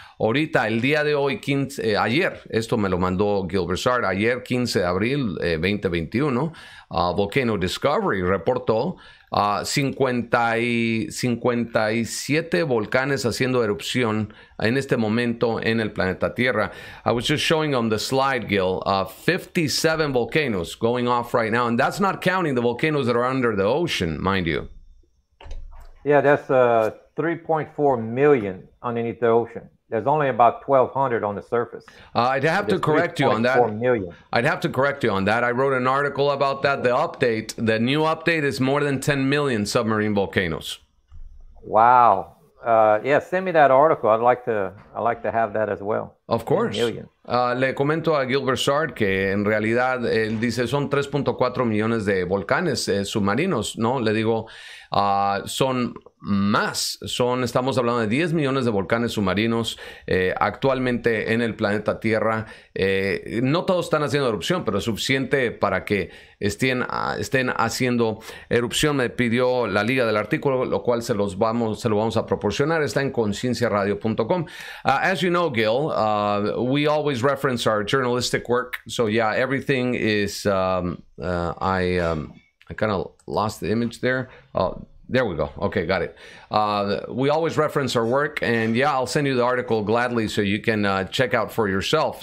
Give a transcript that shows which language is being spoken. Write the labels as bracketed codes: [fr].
[es] Ahorita, el día de hoy, ayer, esto me lo mandó Gilbert Sartre, ayer 15 de abril 2021, Volcano Discovery reportó 57 volcanes haciendo erupción en este momento en el planeta Tierra. [en] I was just showing on the slide, Gil, 57 volcanoes going off right now, and that's not counting the volcanoes that are under the ocean, mind you. Yeah, that's 3.4 million underneath the ocean. There's only about 1,200 on the surface. I'd have to correct you on that. I'd have to correct you on that. I wrote an article about that. The update, the new update is more than 10 million submarine volcanoes. Wow. Yeah, send me that article. I'd like to have that as well. Of course. [es] Le comento a Gilbert Sartre que en realidad él dice son 3.4 millones de volcanes submarinos, ¿no? Le digo, son más, estamos hablando de 10 millones de volcanes submarinos actualmente en el planeta Tierra. No todos están haciendo erupción, pero es suficiente para que estén haciendo erupción. Me pidió la liga del artículo, lo cual se lo vamos a proporcionar. Está en concienciaradio.com. [en] As you know, Gil, we always reference our journalistic work. So yeah, everything is, I kind of lost the image there. There we go. Okay, got it. We always reference our work, and yeah, I'll send you the article gladly so you can check out for yourself.